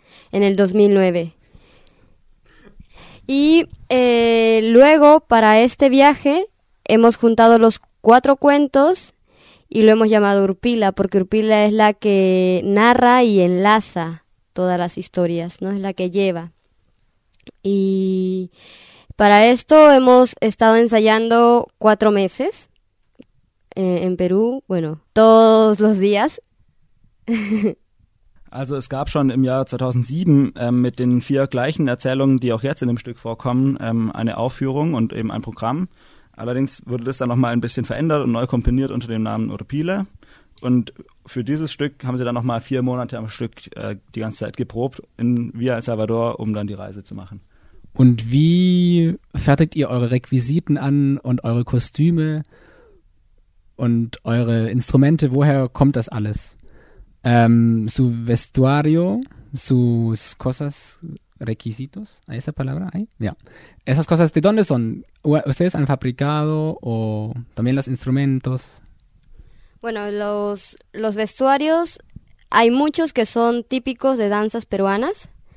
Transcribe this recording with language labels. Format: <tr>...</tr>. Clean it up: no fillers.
<es>En el 2009. Y luego, para este viaje, hemos juntado los cuatro cuentos y lo hemos llamado Urpila, porque Urpila es la que narra y enlaza todas las historias, ¿no? Es la que lleva. Y para esto hemos estado ensayando cuatro meses en Perú, bueno, todos los días.</es> <de>Also es gab schon im Jahr 2007 mit den vier gleichen Erzählungen, die auch jetzt in dem Stück vorkommen, eine Aufführung und eben ein Programm. Allerdings wurde das dann nochmal ein bisschen verändert und neu komponiert unter dem Namen Urpila. Und für dieses Stück haben sie dann nochmal vier Monate am Stück die ganze Zeit geprobt in Villa El Salvador, um dann die Reise zu machen. Und wie fertigt ihr eure Requisiten an und eure Kostüme und eure Instrumente? Woher kommt das alles?</de> <es>Su vestuario, sus cosas, requisitos, ¿hay esa palabra ahí? Yeah. ¿Esas cosas de dónde son? ¿Ustedes han fabricado o también los instrumentos? Bueno, los vestuarios, hay muchos que son típicos de danzas peruanas.</es>